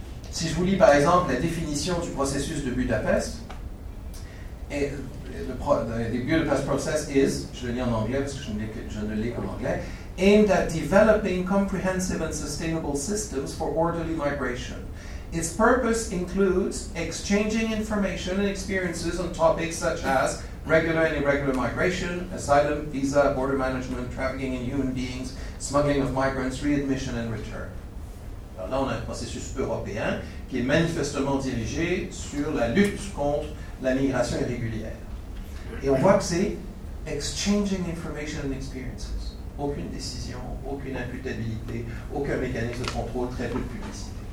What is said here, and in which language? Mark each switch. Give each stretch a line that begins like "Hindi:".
French: Si je vous lis par exemple la définition du processus de Budapest, et
English: the Budapest process is,
French: je le lis en anglais parce que je ne l'ai qu'en anglais,
English: aimed at developing comprehensive and sustainable systems for orderly migration. Its purpose includes exchanging information and experiences on topics such as regular and irregular migration, asylum, visa, border management, trafficking in human beings, smuggling of migrants, readmission and return.
French: Alors là, on a un processus européen qui est manifestement dirigé sur la lutte contre la migration irrégulière. Et on voit que c'est
English: exchanging information and experiences.
French: Aucune décision, aucune imputabilité, aucun mécanisme de contrôle, très peu de publicité.